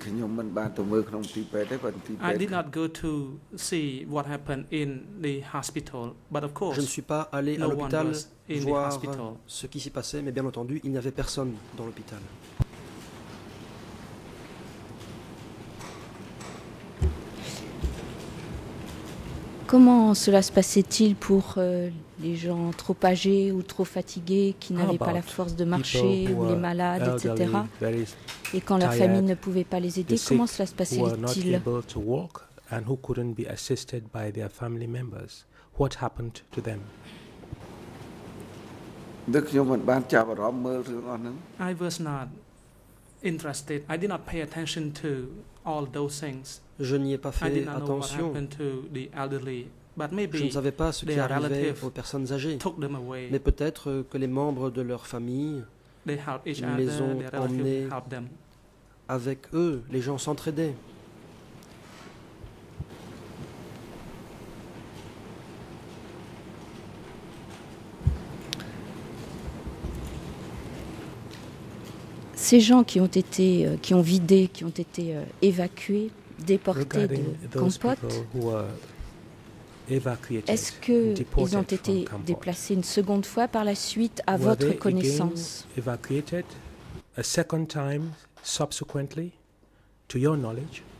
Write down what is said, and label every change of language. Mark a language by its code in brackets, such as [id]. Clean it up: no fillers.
[en] I did not go to see what happened in the hospital, but of course, [fr] je ne suis pas allé à l'hôpital voir ce qui s'y passait, mais bien entendu, il n'y avait personne dans l'hôpital. Comment cela se passait-il pour les gens trop âgés ou trop fatigués qui n'avaient pas la force de marcher ou les malades, etc. Et quand leur famille ne pouvait pas les aider, comment cela se passait-il? [en] Who were not able to walk and who couldn't be assisted by their family members? What happened to them? I was not interested. I did not pay attention to all those things. [fr] Je n'y ai pas fait attention. [en] Elderly, but maybe [fr] je ne savais pas ce qui arrivait aux personnes âgées. Mais peut-être que les membres de leur famille les ont emmenés avec eux. Les gens s'entraidaient. Ces gens qui ont été, qui ont vidé, qui ont été évacués, déportés de Kampot, Est-ce qu'ils ont été déplacés une seconde fois par la suite à votre connaissance? [en] Evacuated a second time subsequently, to your knowledge?